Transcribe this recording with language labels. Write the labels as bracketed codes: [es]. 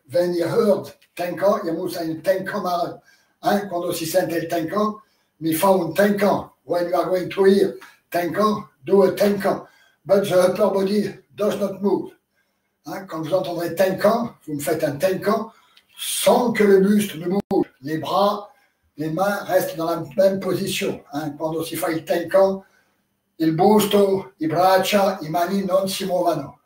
[de] Wenn ihr hört tenkan, ihr müsst ein tenkan machen. [it] Hein? Quando si sente il tenkan, mi fa un tenkan. [en] When you are going to hear tenkan, do a tenkan. But the upper body does not move. Hein? [fr] Quand vous entendrez tenkan, vous me faites un tenkan sans que le buste ne bouge. Les bras, les mains restent dans la même position. Hein. [it] Quando si fa il tenkan, il busto, i braccia, i mani non si muovono.